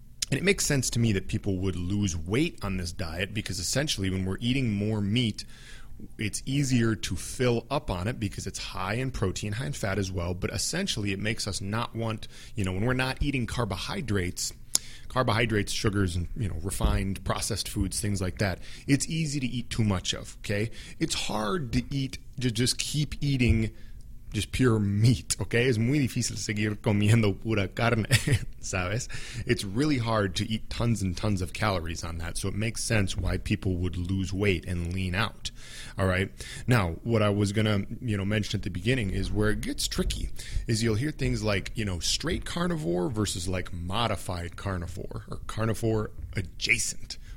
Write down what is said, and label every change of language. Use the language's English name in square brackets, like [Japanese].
[English] And it makes sense to me that people would lose weight on this diet because essentially when we're eating more meat, it's easier to fill up on it because it's high in protein, high in fat as well. But essentially it makes us not want, you know, when we're not eating carbohydrates, sugars, and, you know, refined processed foods, things like that, it's easy to eat too much of, okay? It's hard to eat, to just keep eating just pure meat, okay? [Spanish] Es muy difícil seguir comiendo pura carne, ¿sabes? [English] It's really hard to eat tons and tons of calories on that, so it makes sense why people would lose weight and lean out, all right? Now, what I was going to, you know, mention at the beginning is where it gets tricky is you'll hear things like, you know, straight carnivore versus, like, modified carnivore or carnivore adjacent.